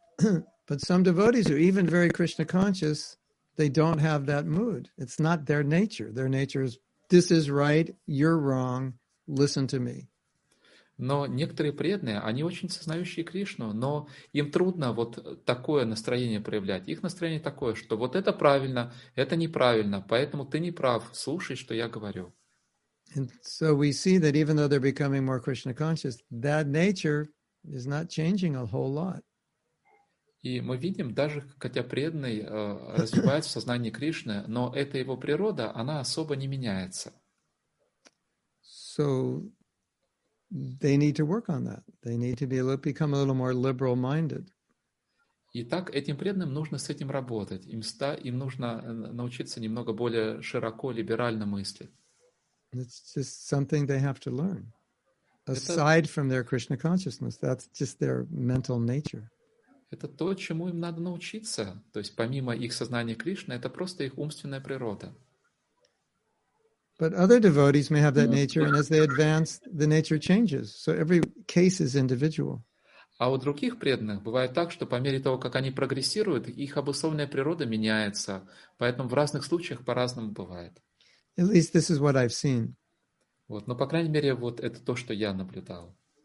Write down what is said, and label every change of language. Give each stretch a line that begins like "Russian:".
English: But some devotees are even very Krishna conscious, they don't have that mood. It's not their nature. Their nature is this is right, you're wrong, listen to me.
Russian: Но некоторые преданные, они очень сознающие Кришну, но им трудно вот такое настроение проявлять. Их настроение такое, что вот это правильно, это неправильно, поэтому ты не прав, слушай, что я говорю.
English: And so we see that even though they're becoming more Krishna conscious, that nature is not changing a whole lot.
Russian: И мы видим, даже хотя преданный развивается в сознании Кришны, но эта его природа, она особо не меняется.
English: So they need to work on that. They need to become a little more liberal-minded.
Russian: Итак, этим преданным нужно с этим работать. Им нужно научиться немного более широко либерально мыслить.
English: It's just something they have to learn. Aside from their Krishna consciousness, that's just their mental nature.
Russian: Это то, чему им надо научиться. То есть помимо их сознания Кришны, это просто их умственная природа.
English: But other devotees may have that nature, and as they advance, the nature changes. So every case is individual.
Russian: А у других преданных бывает так, что по мере того, как они прогрессируют, их обусловленная природа меняется. Поэтому в разных случаях по-разному бывает.
English: At least this is what I've seen.
Russian: Вот, но по крайней мере вот это то, что я наблюдал.